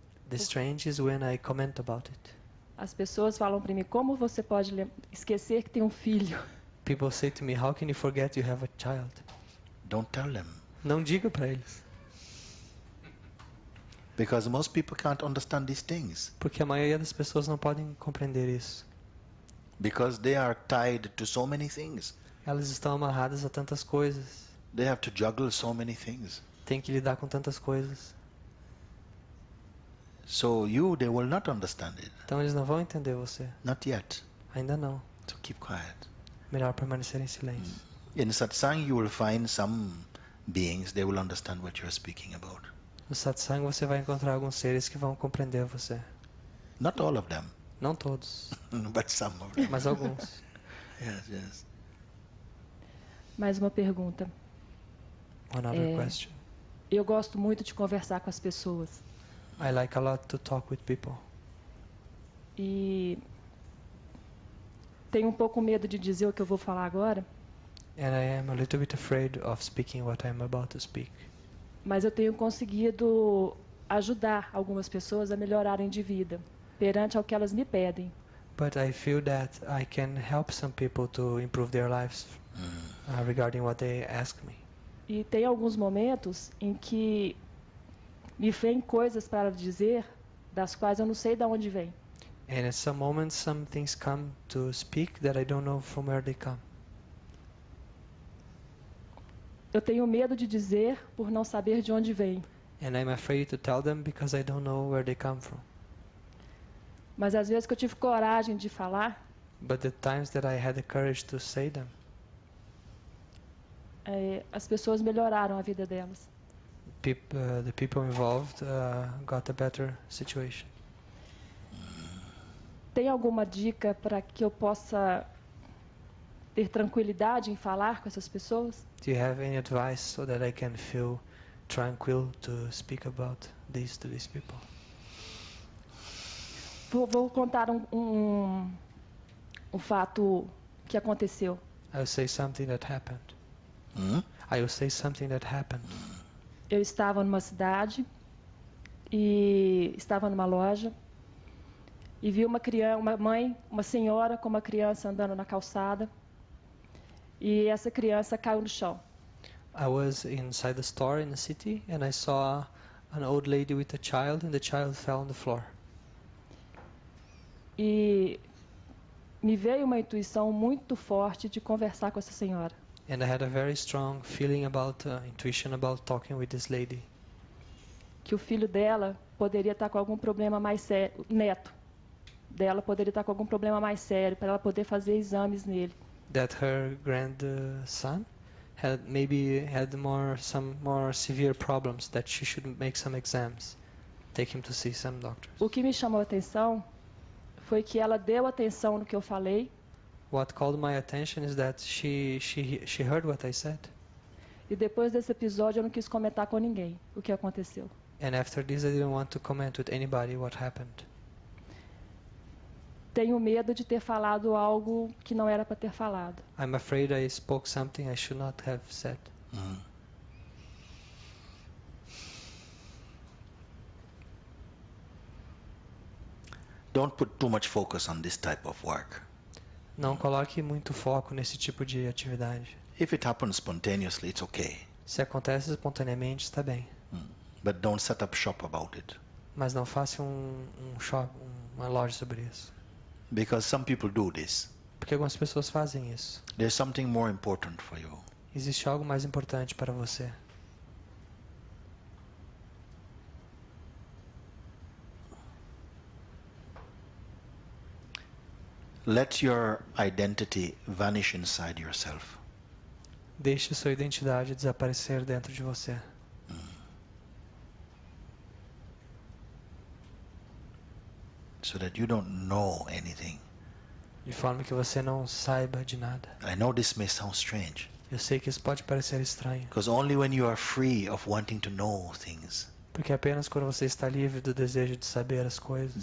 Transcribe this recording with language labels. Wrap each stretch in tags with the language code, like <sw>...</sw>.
<en>The strange is when I comment about it.</en> <pt>As pessoas falam para mim, como você pode esquecer que tem um filho?</pt> <en>People say to me, how can you forget you have a child? Don't tell them.</en> <pt>Não diga para eles.</pt> <en>Because most people can't understand these things.</en> <pt>Porque a maioria das pessoas não podem compreender isso.</pt> <en>Because they are tied to so many things.</en> <pt>Elas estão amarradas a tantas coisas.</pt> <en>They have to juggle so many things.</en> <pt>Tem que lidar com tantas coisas.</pt> <en>So you, they will not understand it.</en> <pt>Então eles não vão entender você.</pt> <en>Not yet.</en> <pt>Ainda não.</pt> <en>So keep quiet.</en> <pt>Melhor permanecer em silêncio.</pt> <en>In satsang you will find some beings, they will understand what you are speaking about.</en> <pt>No satsang você vai encontrar alguns seres que vão compreender você.</pt> <en>Not all of them.</en> <pt>Não todos.</pt> <en>But some of them.</en> <pt>Mas alguns.</pt> <en>Yes, yes.</en> <pt>Mais uma pergunta.</pt> <en>Another question.</en> <pt>Eu gosto muito de conversar com as pessoas.</pt> <en>I like a lot to talk with people.</en> <pt>E tenho um pouco medo de dizer o que eu vou falar agora.</pt> <en>And I am a little bit afraid of speaking what I'm about to speak.</en> <pt>Mas eu tenho conseguido ajudar algumas pessoas a melhorarem de vida perante ao que elas me pedem.</pt> <en>But I feel that I can help some people to improve their lives. Regarding what they ask me.</en> <pt>E tem alguns momentos em que me vêm coisas para dizer das quais eu não sei de onde vêm.</pt> <en>And at some moments some things come to speak that I don't know from where they come.</en> <pt>Eu tenho medo de dizer por não saber de onde vêm.</pt> <en>And I'm afraid to tell them because I don't know where they come from.</en> <pt>Mas às vezes que eu tive coragem de falar.</pt> <en>But the times that I had the courage to say them.</en> <pt>As pessoas melhoraram a vida delas.</pt> <en>The people involved got a better situation.</en> <pt>Tem alguma dica para que eu possa ter tranquilidade em falar com essas pessoas?</pt> <en>Do you have any advice so that I can feel tranquil to speak about this to these people?</en> <pt>Vou contar um fato que aconteceu.</pt> <en>I'll say something that happened. I will say something that happened.</en> <pt>Eu estava numa cidade e estava numa loja e vi uma criança, uma mãe, uma senhora com uma criança andando na calçada e essa criança caiu no chão.</pt> <en>I was inside the store in the city and I saw an old lady with a child and the child fell on the floor.</en> <pt>E me veio uma intuição muito forte de conversar com essa senhora.</pt> <en>And I had a very strong feeling about intuition about talking with this lady.</en> <pt>Que o filho dela poderia estar com algum problema mais sério, neto dela poderia estar com algum problema mais sério para ela poder fazer exames nele.</pt> <en>That her grandson had maybe had more some more severe problems that she should make some exams, take him to see some doctors.</en> <pt>O que me chamou a atenção foi que ela deu atenção no que eu falei.</pt> <en>What called my attention is that she heard what I said.</en> <pt>E depois desse episódio eu não quis comentar com ninguém o que aconteceu.</pt> <en>And after this I didn't want to comment with anybody what happened.</en> <pt>Tenho medo de ter falado algo que não era para ter falado.</pt> <en>I'm afraid I spoke something I should not have said. Mm-hmm. Don't put too much focus on this type of work.</en> <pt>Não coloque muito foco nesse tipo de atividade.</pt> <en>If it happens spontaneously, it's okay.</en> <pt>Se acontece espontaneamente, está bem.</pt> <en>But don't set up shop about it.</en> <pt>Mas não faça uma loja sobre isso.</pt> <en>Because some people do this.</en> <pt>Porque algumas pessoas fazem isso.</pt> <en>There's something more important for you.</en> <pt>Existe algo mais importante para você.</pt> <en>Let your identity vanish inside yourself.</en> <pt>Deixe sua identidade desaparecer dentro de você.</pt> <en>So that you don't know anything.</en> <pt>De forma que você não saiba de nada.</pt> <en>I know this may sound strange.</en> <pt>Eu sei que isso pode parecer estranho.</pt> <en>Because only when you are free of wanting to know things.</en> <pt>Porque apenas quando você está livre do desejo de saber as coisas.</pt>